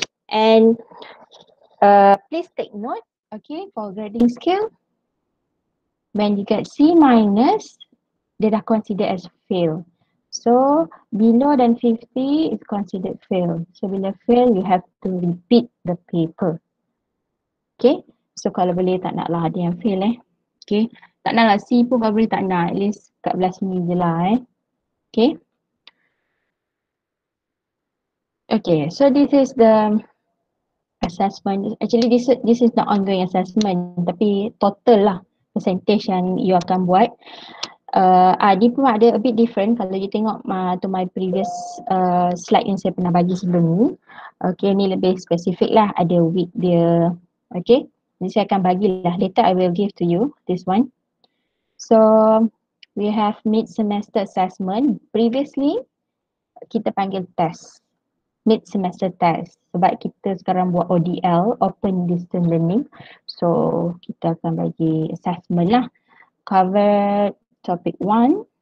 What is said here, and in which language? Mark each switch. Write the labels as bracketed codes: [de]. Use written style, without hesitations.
[en] And please take note, okay, for grading scale, when you get C minus, [ms] dia dah [en] consider as fail. So below than 50 is considered fail. So bila fail, you have to repeat the paper. [ms] Okay, so kalau boleh tak nak lah ada yang fail eh. Okay, tak nak lah C pun kalau boleh tak nak, at least kat belah sini je lah eh. [en] Okay. Okay, so this is the assessment. Actually this is not ongoing assessment, [ms] tapi total lah percentage yang you akan buat. Dia pun ada a bit different kalau you tengok [en] to my previous slide [ms] yang saya pernah bagi sebelum ni. Okay, ni lebih specific lah, ada week dia. Okay, jadi saya akan bagilah. [en] Later I will give to you this one. So, we have mid-semester assessment. Previously, [ms] kita panggil [en] test. Mid-semester test. [ms] Sebab kita sekarang buat ODL, Open Distance Learning. So, kita akan bagi assessment lah. Cover topic 1.